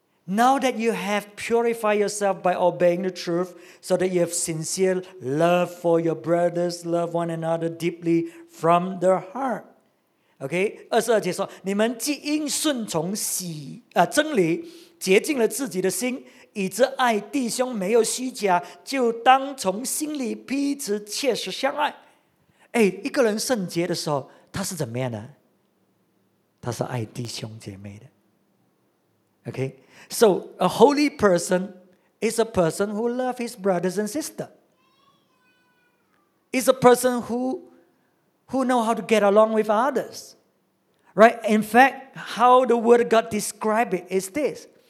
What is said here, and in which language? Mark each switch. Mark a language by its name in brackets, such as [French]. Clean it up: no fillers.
[English] Now that you have purified yourself by obeying the truth, so that you have sincere love for your brothers, love one another deeply from the heart. Okay? [Chinese] 22节说，你们既因顺从喜真理，洁净了自己的心，以致爱弟兄没有虚假，就当从心里彼此切实相爱。哎，一个人圣洁的时候，他是怎么样的？他是爱弟兄姐妹的。 [English] Okay, so a holy person is a person who loves his brothers and sisters. It's a person who know how to get along with others. Right? In fact, how the Word of God describes it is this.